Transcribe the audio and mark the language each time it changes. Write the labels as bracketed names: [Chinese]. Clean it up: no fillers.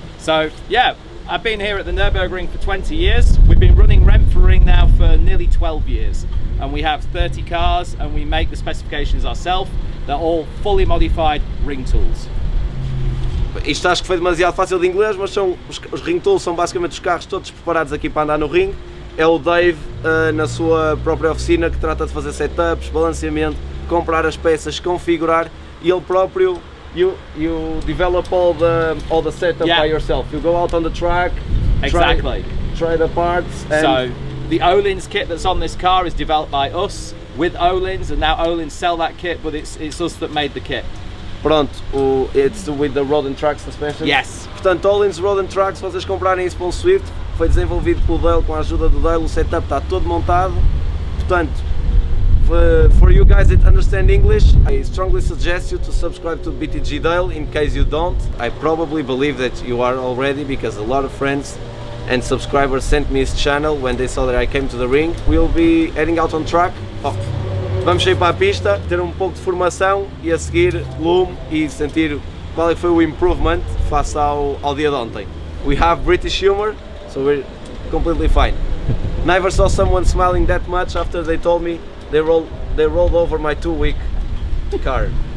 [English] So yeah, I've been here at the Nürburgring for 20 years, we've been running Rent for Ring now for nearly 12 years. And we have 30 cars and we make the specifications ourselves. They're all fully modified ring tools. [Portuguese] Isto acho que foi demasiado fácil de inglês, mas são os ring tools são basicamente os carros todos preparados aqui para andar no ring. É o Dave na sua própria oficina que trata de fazer setups, balanceamento, comprar as peças, configurar, e ele próprio [English] you develop all the setup, yeah, by yourself. You go out on the track. Exactly. Try the parts and so the O-Lins kit that's on this car is developed by us. with Olin's, and now Olin's sell that kit, but it's us that made the kit. [Portuguese] Pronto, [English] it's with the rod and track suspension? Yes. [Portuguese] Portanto, Olin's rod and track, se vocês comprarem isso para o Swift, foi desenvolvido pelo Dale, com a ajuda do Dale, o setup está todo montado. Portanto, [English] for you guys that understand English, I strongly suggest you to subscribe to BTG Dale in case you don't. I probably believe that you are already, because a lot of friends and subscribers sent me his channel when they saw that I came to the ring. We'll be heading out on track. Oh. [Portuguese] Vamos sair para a pista, ter um pouco de formação e a seguir lume e sentir qual foi o [English] improvement [Portuguese] face ao dia de ontem. [English] We have British humor, so we're completely fine. Never saw someone smiling that much after they told me they rolled over my 2 week car.